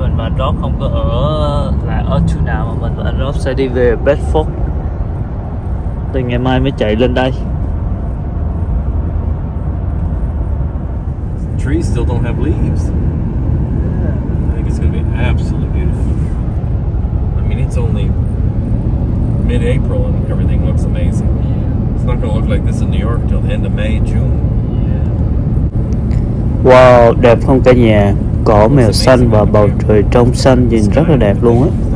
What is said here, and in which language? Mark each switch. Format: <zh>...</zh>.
<vi>mình và Rob không có ở lại ở Tuna mà mình và Rob sẽ đi về Bedford. Từ ngày mai mới chạy lên đây.</vi> <en>Trees still don't have leaves. Yeah. I think it's going to be absolutely beautiful. I mean, it's only mid-April and everything looks amazing. Yeah. It's not going to look like this in New York till the end of May, June. Yeah.</en> <vi>Wow, đẹp không cả nhà. Cỏ mèo xanh và bầu trời trong xanh nhìn rất là đẹp luôn á.</vi>